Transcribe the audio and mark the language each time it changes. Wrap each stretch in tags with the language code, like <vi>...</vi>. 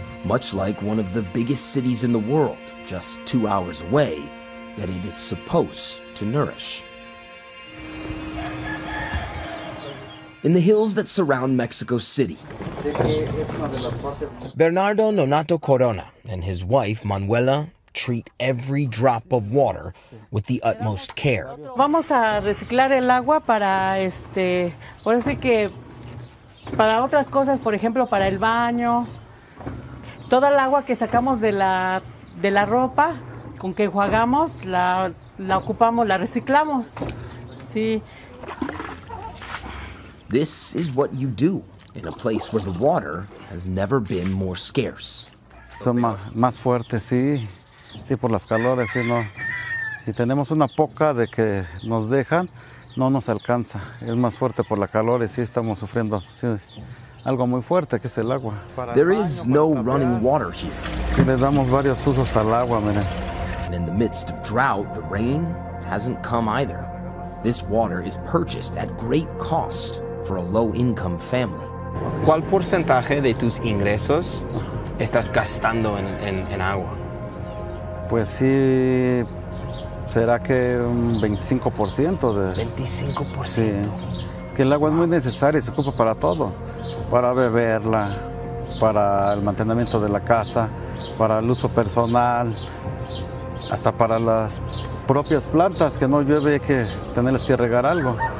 <en>Much like one of the biggest cities in the world, just 2 hours away, that it is supposed to nourish. In the hills that surround Mexico City, Bernardo Nonato Corona and his wife Manuela treat every drop of water with the utmost care.</en> <es>Vamos a reciclar el agua para ahora sí que para otras cosas, por ejemplo, para el baño. Toda el agua que sacamos de la ropa con que enjuagamos, la ocupamos, la reciclamos. Sí.</es> <en>This is what you do in a place where the water has never been more scarce.</en> <es>Son más fuertes, sí. Sí, por las calores, sí, no. Si tenemos una poca de que nos dejan, no nos alcanza. Es más fuerte por las calores, sí, estamos sufriendo, sí. Algo muy fuerte, que es el agua.</es> <en>There is no running water here.</en> <es>Le damos varios usos al agua, mire.</es> <en>And in the midst of drought, the rain hasn't come either. This water is purchased at great cost for a low-income family.</en> <es>¿Cuál porcentaje de tus ingresos estás gastando en agua? Pues sí, será que un 25%. ¿25%? Sí. que el agua es muy necesaria, se ocupa para todo, para beberla, para el mantenimiento de la casa, para el uso personal, hasta para las propias plantas, que no llueve, hay que tenerles que regar algo.</es>